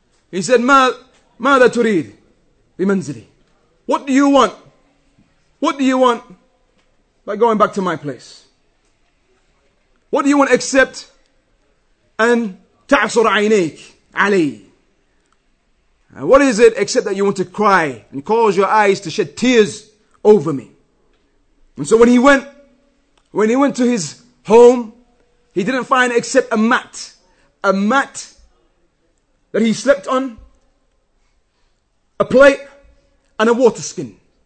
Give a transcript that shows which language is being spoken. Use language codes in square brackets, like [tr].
[en] He said, [ar] ماذا تريد بمنزلي. [en] What do you want? What do you want by going back to my place? What do you want except [ar] أن تعصر عينيك علي. [en] And what is it except that you want to cry and cause your eyes to shed tears over me? And so when he went to his home, he didn't find except a mat that he slept on, a plate, and a water skin.